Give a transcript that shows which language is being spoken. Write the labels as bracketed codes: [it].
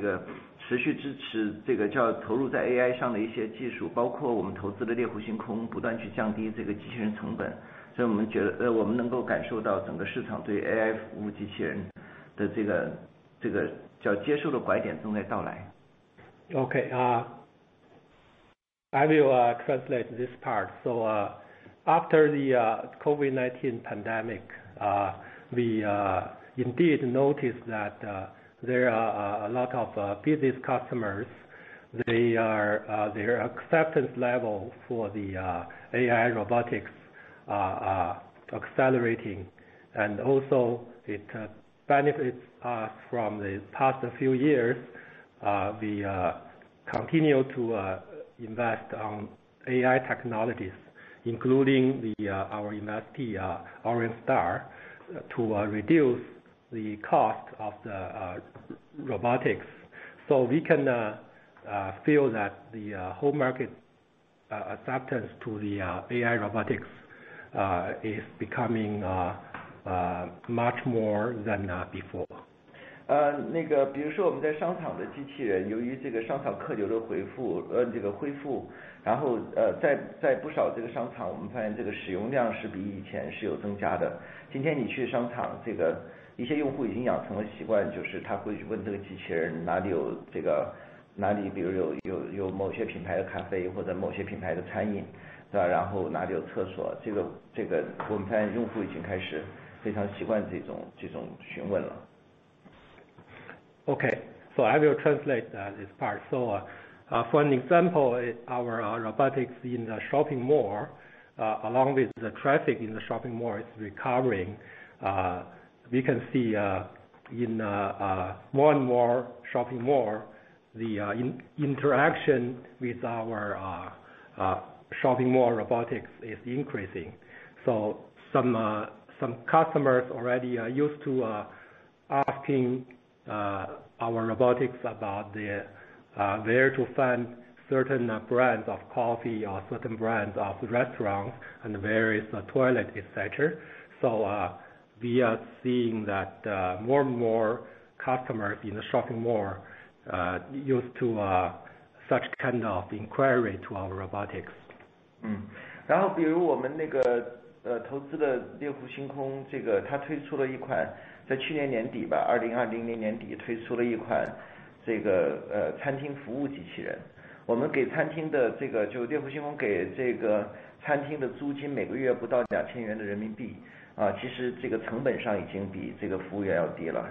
[zh] 而且也得益于我们过去这个两年吧，这个持续支持这个叫投入在 AI 上的一些技术，包括我们投资的猎狐星空，不断去降低这个机器人成本，所以我们觉得我们能够感受到整个市场对 AI 服务机器人的这个叫接受的拐点正在到来。Okay, [en] I will translate this part. So after the COVID-19 pandemic, we indeed noticed that there are a lot of business customers. Their acceptance level for the AI robotics accelerating, and also it benefits us from the past few years. We continue to invest on AI technologies, including the our investee Orange Star, to reduce the cost of the robotics. So we can feel that the whole market acceptance to the AI robotics is becoming much more than before. [zh] 那个比如说我们在商场的机器人，由于这个商场客流的恢复，这个恢复，然后在不少这个商场，我们发现这个使用量是比以前是有增加的。今天你去商场，这个一些用户已经养成了习惯，就是他会去问这个机器人哪里有这个哪里，比如有某些品牌的咖啡或者某些品牌的餐饮，对吧？然后哪里有厕所，这个我们发现用户已经开始非常习惯这种询问了。 [en] Okay, so I will translate this part. So for an example, our robotics in the shopping mall, along with the traffic in the shopping mall is recovering. We can see in more and more shopping mall, the interaction with our shopping mall robotics is increasing. So some customers already are used to asking our robotics about the where to find certain brands of coffee or certain brands of restaurants and where is the toilet, etc. So we are seeing that more and more customers in the shopping mall used to such kind of inquiry to our robotics. [zh] 嗯，然后比如我们那个投资的猎户星空，这个它推出了一款。在去年年底吧，2020年年底推出了一款这个餐厅服务机器人。我们给餐厅的这个就猎户星空给这个餐厅的租金每个月不到2000元的人民币啊，其实这个成本上已经比这个服务员要低了。